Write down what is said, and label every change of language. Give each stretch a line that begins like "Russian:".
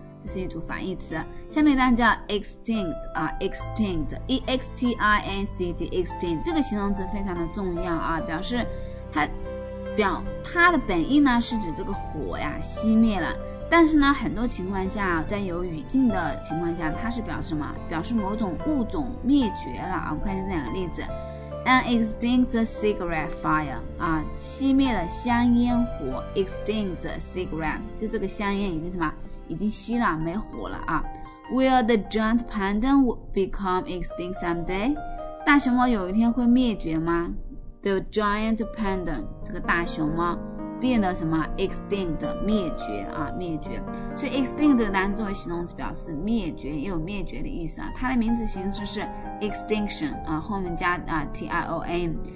Chinese: 这是一组反义词，下面一段叫 extinct 啊 ，extinct，extinct， extinct， 这个形容词非常的重要啊，表示它的本意呢是指这个火呀熄灭了，但是呢很多情况下，在有语境的情况下，它是表示什么？表示某种物种灭绝了啊。我看一下这两个例子 ，
English: an extinct cigarette fire
Chinese: 啊，熄灭了香烟火 ，
English: extinct cigarette，
Chinese: 就这个香烟已经什么？已经熄了，没火了啊。
English: Will the giant panda become extinct someday?
Chinese: 大熊猫有一天会灭绝吗 ？
English: The giant panda
Chinese: 这个大熊猫变得什么 ？extinct 灭绝啊，灭绝。所以 extinct 这个单词作为形容词表示灭绝，也有灭绝的意思啊。它的名词形式是 extinction 啊，后面加啊 t i o n。